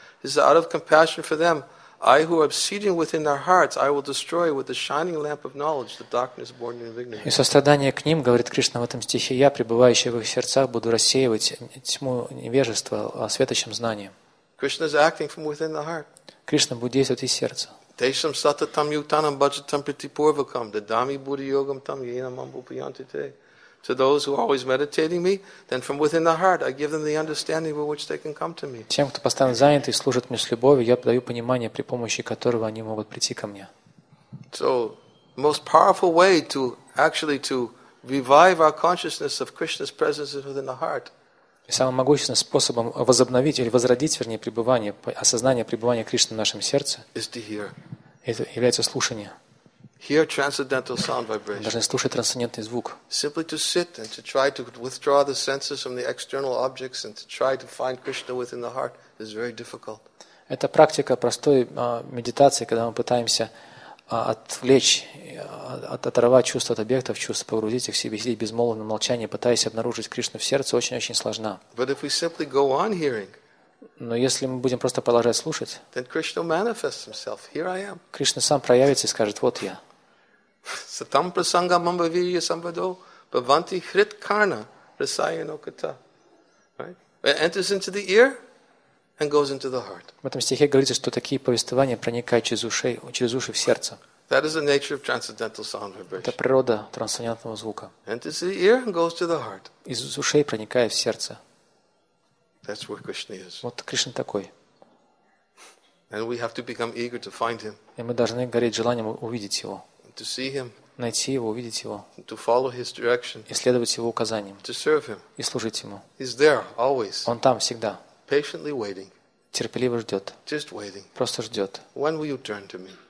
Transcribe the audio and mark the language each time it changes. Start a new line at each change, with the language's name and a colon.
English: He says, out of compassion for them, I who am seated within their hearts, I will destroy with the shining lamp of knowledge the darkness born in ignorance.
Russian: И сострадание к ним, говорит Кришна в этом стихе, я, пребывающий в их сердцах, буду рассеивать тьму невежества светочем знанием.
English: Krishna is acting from within the heart.
Russian: Кришна будет действовать из сердца.
Sanskrit: Тешам сататам ютанам баджатам притипурвакам дадами будхи йогам там йенам амбупьянтите.
English: To those who are always meditating me, then from within the heart I give them the understanding with which they can come to me.
Russian: Тем, кто постоянно занят и служит мне с любовью, я даю понимание, при помощи которого они могут прийти ко мне.
English: So, most powerful way to actually to revive our consciousness of Krishna's presence is within the heart.
Russian: И самым могущественным способом возобновить или возродить, вернее, пребывание, осознание пребывания Кришны в нашем сердце
English: is to hear.
Russian: Это является слушание.
English: Hear transcendental sound vibration.
Russian: Должны слушать трансцендентный звук.
English: Simply to sit and to try to withdraw the senses from the external objects and to try to find Krishna within the heart is very difficult.
Russian: Это практика простой медитации, когда мы пытаемся оторвать чувства от объектов, чувства погрузить их в себе, сидеть безмолвно, молчание, пытаясь обнаружить Кришну в сердце, очень-очень сложна.
English: But if we simply go on hearing,
Russian: но если мы будем просто продолжать слушать,
English: then Krishna manifests himself. Here I am.
Russian: Кришна сам проявится и скажет: вот я.
Sanskrit: Сатам прасанга мамба вирья самбадо баванти хрит карна расайяно кита.
English: Right? It enters into the ear and goes into the heart.
Russian: В этом стихе говорится, что такие повествования проникают через уши в сердце.
English: That is the nature of transcendental sound vibration.
Russian: Это природа трансцендентного звука.
English: Enters the ear and goes to the heart.
Russian: Из ушей проникает в сердце.
English: That's where Krishna is.
Russian: Вот Кришна такой.
English: And we have to become eager to find him.
Russian: И мы должны гореть желанием увидеть его.
English: To see him.
Russian: Найти его, увидеть его.
English: To follow his direction.
Russian: И следовать его указаниям.
English: To serve him.
Russian: И служить ему.
English: He's there always.
Russian: Он там всегда.
English: Patiently waiting.
Russian: Терпеливо ждет.
English: Just waiting.
Russian: Просто ждет.
English: When will you turn to me?